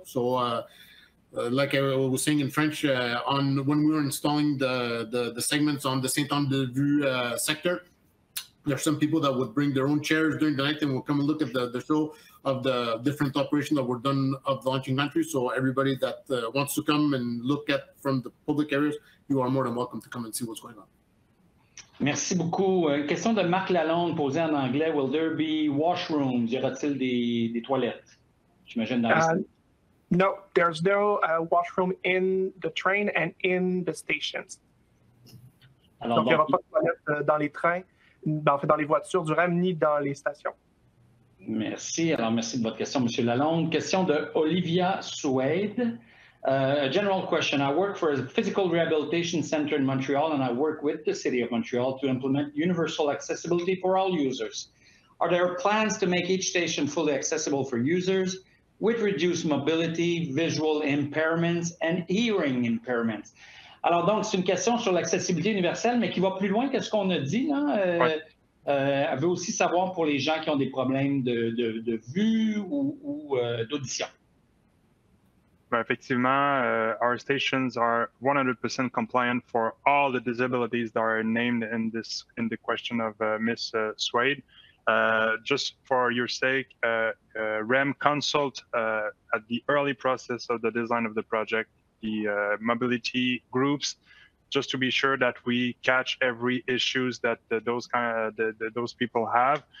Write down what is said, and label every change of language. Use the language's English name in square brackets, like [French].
[English] So, like I was saying in French, when we were installing the segments on the Saint-Anne-de-Vue sector, there's some people that would bring their own chairs during the night and will come and look at the show of the different operations that were done of the launching gantry. So everybody that wants to come and look at from the public areas, you are more than welcome to come and see what's going on. [French] Merci beaucoup. Une question de Marc Lalonde posée en anglais. [English] Will there be washrooms? [French] Y aura-t-il des toilettes? J'imagine dans [English] No, there's no washroom in the train and in the stations. [French] Alors, donc, il n'y aura pas de toilettes dans les trains, dans les voitures du REM, ni dans les stations. Merci. Alors, merci de votre question, M. Lalonde. Question de Olivia Suede. [English] A general question. I work for a physical rehabilitation center in Montreal, and I work with the City of Montreal to implement universal accessibility for all users. Are there plans to make each station fully accessible for users with reduced mobility, visual impairments, and hearing impairments? [French] Alors donc, c'est une question sur l'accessibilité universelle, mais qui va plus loin que ce qu'on a dit, non? Elle veut aussi savoir pour les gens qui ont des problèmes de vue ou d'audition. [English] Well, effectivement, our stations are 100% compliant for all the disabilities that are named in the question of Ms. Suede. Just for your sake, REM consult at the early process of the design of the project, the mobility groups, just to be sure that we catch every issues that those people have.